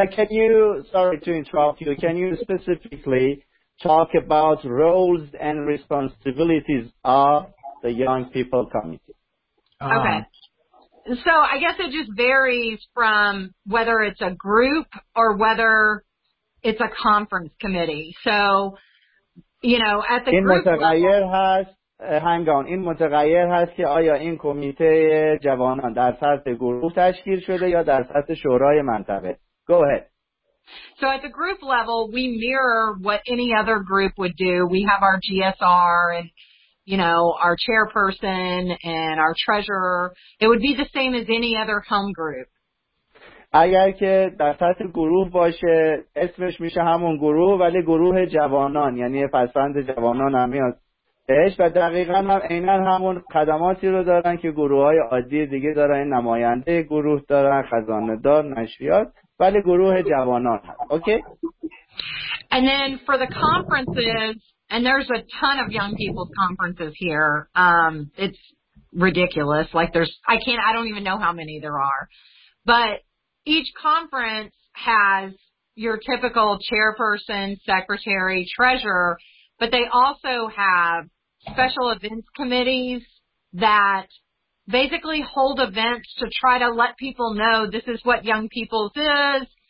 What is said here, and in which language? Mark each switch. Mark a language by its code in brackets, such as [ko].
[en] can you specifically talk about roles and responsibilities of the Young People Committee? Okay. So I guess it just varies from whether it's a group or whether it's a conference committee. So, you know, at the [fa] این [en] group [fa] متغیر هست. [en] Hang on. [fa] این متغیر هست که آیا این کمیته جوانان در سطح گروه تشکیل شده یا در سطح شورای منطقه. [en] Go ahead. So at the group level, we mirror what any other group would do. We have our GSR and, you know, our chairperson and our treasurer. It would be the same as any other home group. [fa] اگر که در سطح گروه باشه اسمش میشه همون گروه ولی گروه جوانان یعنی پسفند جوانان هم میاد بهش و دقیقا هم عینن همون خدماتی رو دارن که گروه های عادی دیگه دارن نماینده گروه دارن خزانه دار نشریات ولی گروه جوانان هست اوکی؟ [en] And then for the conferences and there's a ton of young people's conferences here it's ridiculous like there's I don't even know how many there are but Each conference has your typical chairperson, secretary, treasurer, but they also have special events committees that basically hold events to try to let people know this is what young people's is.